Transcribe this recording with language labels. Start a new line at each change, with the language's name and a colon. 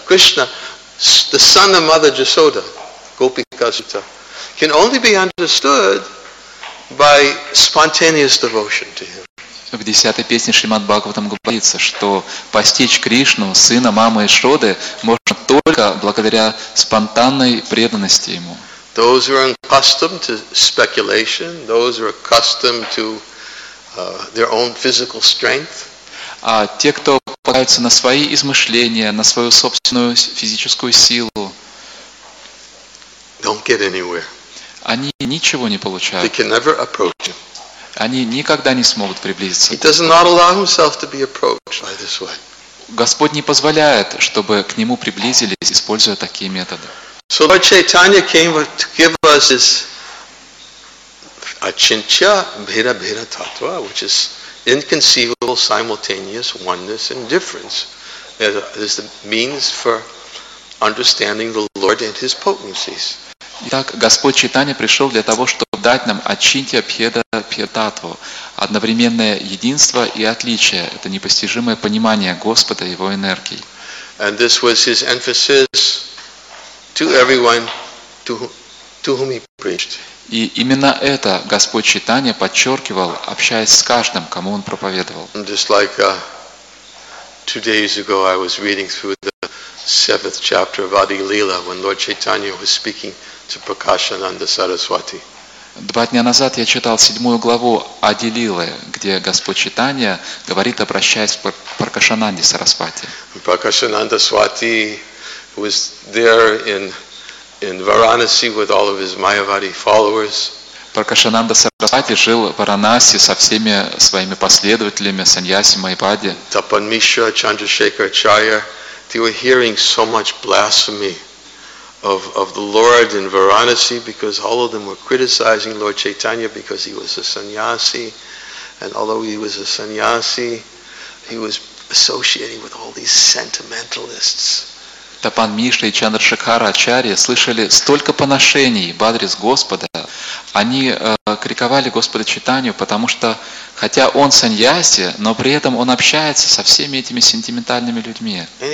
English: Krishna, the son of Mother Jasoda, gopika sutta, can only be understood by spontaneous devotion to Him.
Russian: В 10-й песне Шримад Бхагаватам говорится, что постичь Кришну, сына мамы Ишоды, можно только благодаря спонтанной преданности Ему.
English: Those who are accustomed to speculation, those who are accustomed to their own physical strength,
Russian: а те, кто полагаются на свои измышления, на свою собственную физическую силу,
English: don't get anywhere.
Russian: Они ничего не получают.
English: They can never approach him.
Russian: Они никогда не смогут приблизиться.
English: He does not allow himself to be approached by this way.
Russian: Господь не позволяет, чтобы к Нему приблизились, используя такие методы.
English: So Lord Chaitanya came to give us his achintya bhira bhira tattva, which is inconceivable simultaneous oneness and difference. It is the means for understanding the Lord and His potencies.
Russian: Итак, Господь Чайтанья пришел для того, чтобы дать нам ачинтья пхеда пхедатву, одновременное единство и отличие, это непостижимое понимание Господа и Его энергии.
English: And this was his emphasis to everyone to whom he preached.
Russian: И именно это Господь Чайтанья подчеркивал, общаясь с каждым, кому Он проповедовал.
English: And just like two days ago I was reading through the 7th chapter of Adi Lila when Lord Chaitanya was speaking to Prakashananda Saraswati.
Russian: 2 дня назад я читал 7 главу Ади Лилы, где Господь Чайтанья говорит, обращаясь к Пракашананде Сарасвати.
English: Пракашананда Свати was there in Varanasi with all of his Mayavadi followers.
Russian: Пракашананда Сарасвати жил в Варанаси со всеми своими последователями, саньяси, майвади.
English: Тапан Мишра, Чандрашекар Ачарья, they were hearing so much blasphemy of the Lord in Varanasi because all of them were criticizing Lord Chaitanya because he was a sannyasi, and although he was a sannyasi, he was associating with all these sentimentalists.
Russian: Тапан Мишра и Чандрашекара Ачарья слышали столько поношений в адрес Господа. Они криковали Господа Чайтанью, потому что, хотя он саньяси, но при этом он общается со всеми этими сентиментальными людьми.